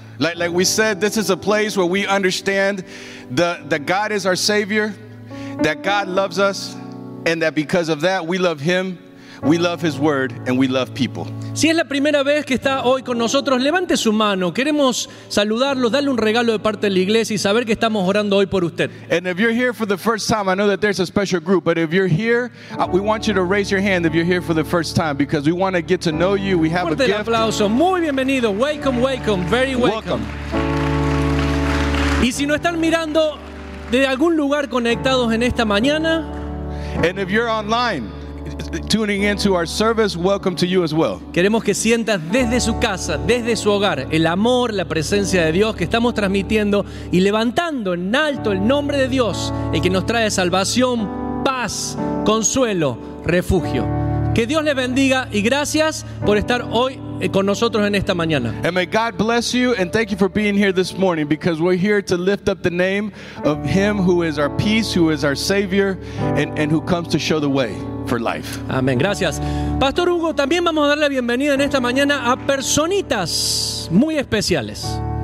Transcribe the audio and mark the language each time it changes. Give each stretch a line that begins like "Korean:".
English: Like we said, this is a place where we understand that God is our Savior, that God loves us, and that because of that, we love Him, we love His Word, and we love people.
Spanish: Si es la primera vez que está hoy con nosotros, levante su mano. Queremos saludarlo, darle un regalo de parte de la iglesia y saber que estamos orando hoy por usted.
English: And if you're here for the first time, I know that there's a special group, but if you're here, we want you to raise your hand if you're here for the first time, because we want to get to know you. We have a gift.
Spanish: Fuerte el aplauso. Muy bienvenido.
English: Welcome, welcome. Very welcome.
Spanish: Y si no están mirando de algún lugar conectados en esta mañana,
English: and if you're online tuning into our service, welcome to you as well.
Spanish: Queremos que sientas desde su casa, desde su hogar, el amor, la presencia de Dios que estamos transmitiendo y levantando en alto el nombre de Dios, el que nos trae salvación, paz, consuelo, refugio. Que Dios les bendiga y gracias por estar hoy con nosotros en esta mañana.
English: And may God bless you and thank you for being here this morning, because we're here to lift up the name of Him who is our peace, who is our Savior, and who comes to show the way for life.
Spanish: Amén. Gracias. Pastor Hugo, también vamos a dar la bienvenida en esta mañana a personitas muy especiales.